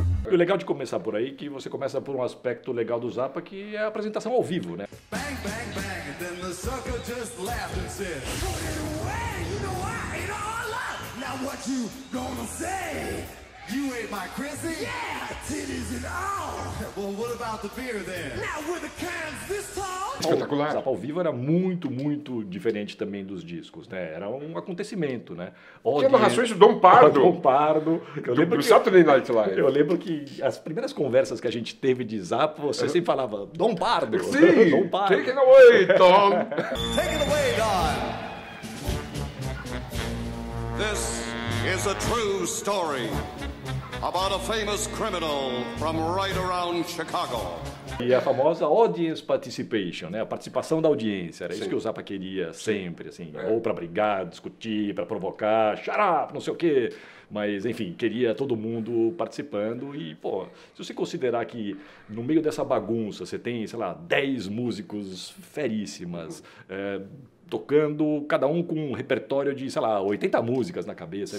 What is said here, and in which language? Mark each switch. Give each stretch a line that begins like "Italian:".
Portuguese: E o legal de começar por aí é que você começa por um aspecto legal do Zappa, que é a apresentação ao vivo, né?
English: Bang, bang, bang, and then the sucker just laughed and said, put it away, you know why, it all up, now what you gonna say? You ain't my Chrissy? Yeah! Titties and all! Well, what about the beer then? Now with the cans this tall!
Portuguese: Espetacular! O Zappa ao vivo era muito, muito diferente também dos discos, né? Era um acontecimento, né? Tinha narrações do Dom Pardo. Dom Pardo. Do Saturday Night Live. Eu lembro que as primeiras conversas que a gente teve de Zappa, você sempre falava, Dom Pardo! Sim! Dom Pardo.
English: Take it away, Tom! Take it away, Don! This is a true story about a famous criminal from right around Chicago.
Portuguese: E a famosa
English: audience participation,
Portuguese: né? A participação da audiência. Era isso que o Zappa queria sempre, assim. É. Ou para brigar, discutir, para provocar,
English: shut up,
Portuguese: não sei o quê. Mas, enfim, queria todo mundo participando. E, pô, se você considerar que no meio dessa bagunça você tem, sei lá, 10 músicos feríssimas, tocando cada um com um repertório de, sei lá, 80 músicas na cabeça.